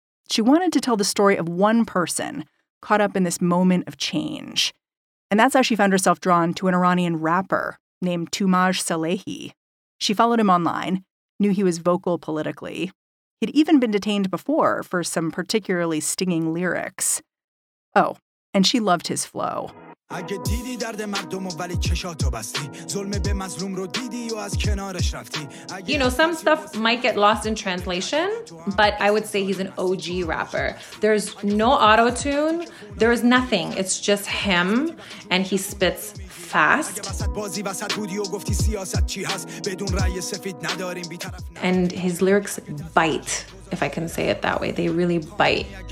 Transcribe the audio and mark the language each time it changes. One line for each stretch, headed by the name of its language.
English: She wanted to tell the story of one person caught up in this moment of change. And that's how she found herself drawn to an Iranian rapper named Toomaj Salehi. She followed him online, knew he was vocal politically. He'd even been detained before for some particularly stinging lyrics. Oh, and she loved his flow.
Persian: اگه دیدی درد مردمو ولی چشاتو بستی ظلم به مظلوم رو دیدی و از کنارش رفتی.
English: You know, some stuff might get lost in translation, but I would say he's an OG rapper. There's no auto-tune, there is nothing. It's just him and he spits fast.
Persian: بازی وسط بودی و گفتی سیاست چی هست بدون رأی سفید نداریم بی طرف.
English: And his lyrics bite. If I can say it that way, they really bite.